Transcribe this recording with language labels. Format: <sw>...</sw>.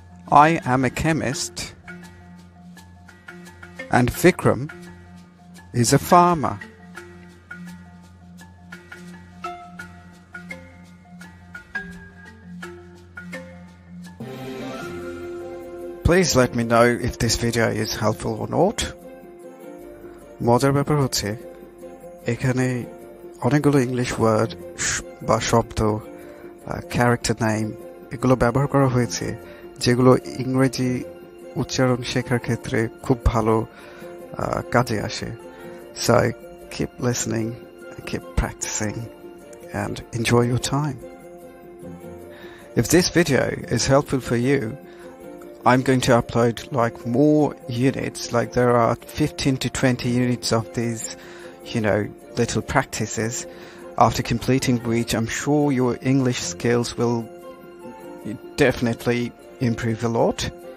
<en>I am a chemist and Vikram is a farmer. Please let me know if this video is helpful or not.</en> <bn>মজার ব্যাপার হচ্ছে এখানে অনেকগুলো English word বা শব্দ character name এগুলো ব্যবহার করা হয়েছে যেগুলো ইংরেজি উচ্চারণ শেখার ক্ষেত্রে খুব ভালো কাজে আসে.</bn> <en>So keep listening, keep practicing and enjoy your time. If this video is helpful for you, I'm going to upload like more units, like there are 15 to 20 units of these, you know, little practices, after completing which I'm sure your English skills will definitely improve a lot.</en>